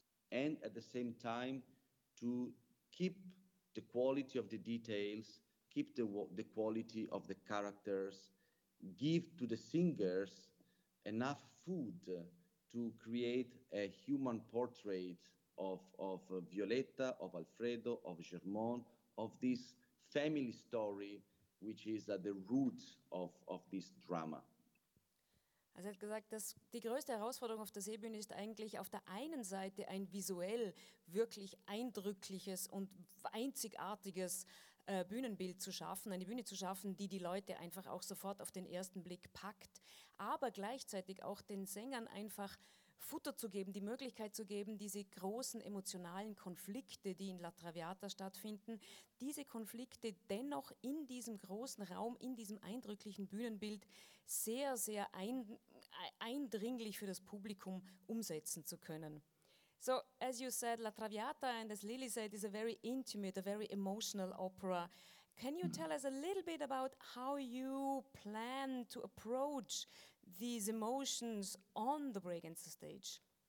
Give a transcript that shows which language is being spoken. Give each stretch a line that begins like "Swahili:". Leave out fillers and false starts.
English: and at the same time to keep the quality of the details, keep the quality of the characters, give to the singers enough food to create a human portrait of Violetta, of Alfredo, of Germont, of this family story, which is at the root of this drama.
German: Also er hat gesagt, dass die größte Herausforderung auf der Seebühne ist eigentlich auf der einen Seite ein visuell wirklich eindrückliches und einzigartiges Bühnenbild zu schaffen, eine Bühne zu schaffen, die die Leute einfach auch sofort auf den ersten Blick packt, aber gleichzeitig auch den Sängern einfach Futter zu geben, die Möglichkeit zu geben, diese großen emotionalen Konflikte, die in La Traviata stattfinden, diese Konflikte dennoch in diesem großen Raum, in diesem eindrücklichen Bühnenbild sehr, sehr eindringlich für das Publikum umsetzen zu können.
English: So, as you said, La Traviata, and as Lily said, is a very intimate, a very emotional opera. Can you tell us a little bit about how you plan to approach these emotions on the Bregenz stage?